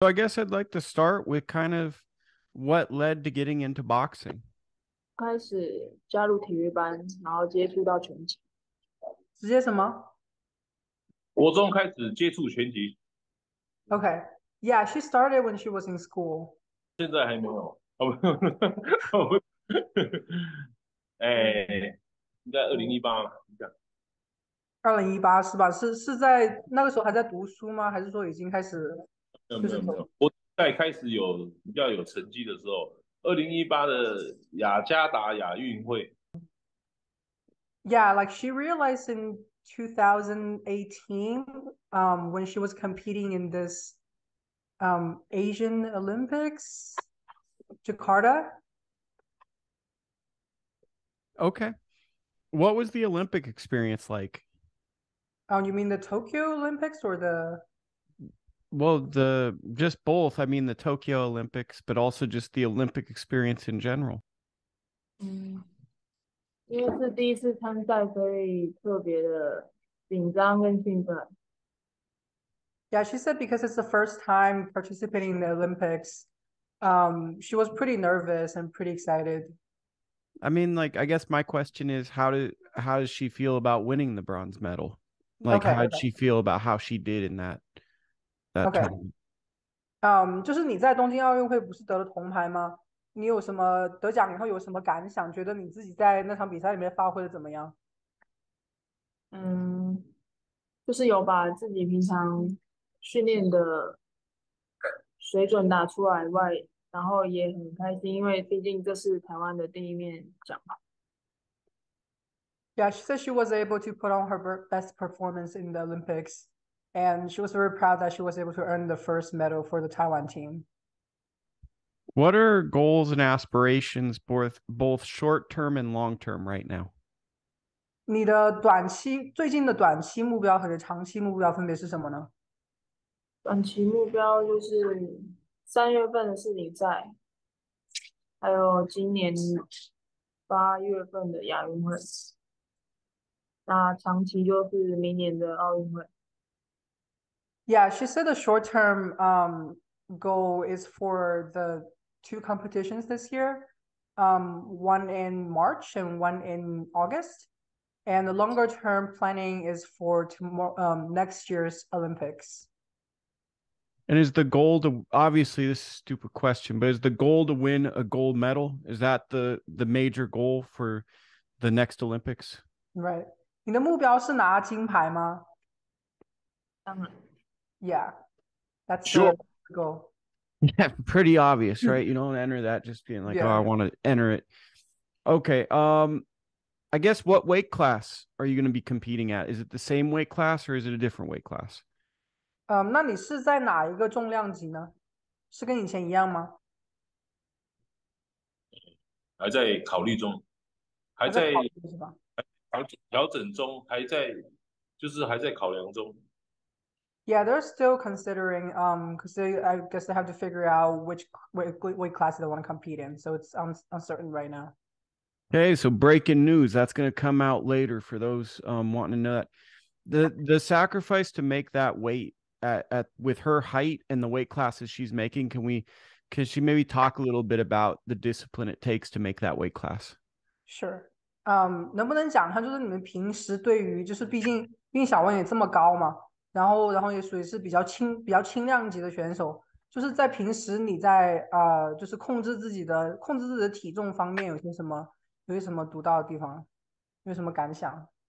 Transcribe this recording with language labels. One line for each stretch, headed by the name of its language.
English: So I guess I'd like to start with kind of what led to getting into boxing.
Chinese: 开始加入体育班，然后接触到拳击，直接什么国中开始接触拳击，
English: ？OK，Yeah，she、okay. started when she was in school。
Chinese: 现在还没有，哦不，哎，应该2018了，你讲。 2018是吧？是在那个时候还在读书吗？还是说已经开始就是没有，我在开始有比较有成绩的时候，2018的雅加达亚运会，
English: Yeah, like she realized in 2018, when she was competing in this Asian Olympics, Jakarta. okay. What was the Olympic experience like? You mean the Tokyo Olympics or the Well, just both. I mean the Tokyo Olympics, but also just the Olympic experience in general.
Chinese: 因为是第一次参赛，所以特别的紧张跟兴奋。
English: Yeah, she said because it's the first time participating in the Olympics, she was pretty nervous and pretty excited. I mean, like, I guess my question is, how does she feel about winning the bronze medal? Like, Okay. how'd she feel about how she did in that Okay. tournament?
Chinese: 就是你在东京奥运会不是得了铜牌吗？你有什么得奖以后有什么感想？觉得你自己在那场比赛里面发挥的怎么样？就是有把自己平常训练的水准打出来外，然后也很开心，因为毕竟这是台湾的第一面奖嘛。
English: Yeah, she said she was able to put on her best performance in the Olympics, and she was very proud that she was able to earn the first medal for the Taiwan team. What are goals and aspirations both short term and long term right now?
Chinese: 你的短期，最近的短期目标和长期目标分别是什么呢？短期目标就是3月份的世锦赛，还有今年8月份的亚运会。那长期就是明年的奥运会。
English: Yeah, she said the short term goal is for the two competitions this year, one in March and one in August. And the longer term planning is for tomorrow, next year's Olympics. And is the goal to, obviously this is a stupid question, but is the goal to win a gold medal? Is that the major goal for the next Olympics?
Chinese: Right. 你的目标是拿金牌吗？
English: Yeah, that's Sure. the goal. Yeah, pretty obvious, right? You don't enter that just being like, oh, I want to enter it. Okay. I guess what weight class are you going to be competing at? Is it the same weight class or is it a different weight class?
Chinese: 那你是在哪一个重量级呢？是跟以前一样吗？还在考虑中，还在考虑是吧？还在调整中，还在考量中。
English: Yeah, they're still considering, because I guess they have to figure out which weight class they want to compete in. So it's uncertain right now. Okay, so breaking news, that's going to come out later for those wanting to know that. The sacrifice to make that weight at with her height and the weight classes she's making, can she maybe talk a little bit about the discipline it takes to make that weight class? Sure.
Chinese: 能不能讲一下，就是你们平时对于，就是毕竟小文也这么高嘛。然后也属于是比较轻量级的选手，就是在平时你在就是控制自己的体重方面有些什么独到的地方，有什么感想？